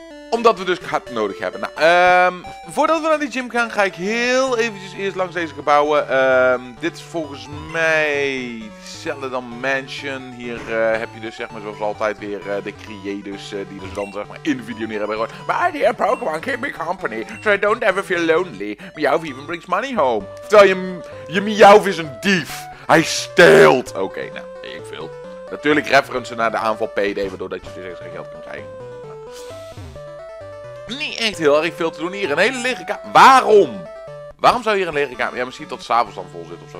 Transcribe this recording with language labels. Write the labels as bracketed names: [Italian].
[Dutch] Omdat we dus kat nodig hebben. Nou, voordat we naar die gym gaan, ga ik heel eventjes eerst langs deze gebouwen. Dit is volgens mij Celadon Mansion. Hier heb je dus zeg maar zoals altijd weer de creators die dus dan zeg maar in de video neer hebben gehoord. [English] My dear Pokémon, keep me company, so I don't ever feel lonely. Meowth even brings money home. [Dutch] Terwijl je Meowth is een dief. Hij steelt. Oké, ik veel. Natuurlijk referencen naar de aanval PD, waardoor dat je dus extra geld kunt krijgen. Niet echt heel erg veel te doen hier. Een hele lege kamer. Waarom? Waarom zou hier een lege kamer? Ja, misschien tot 's avonds dan vol zit of zo.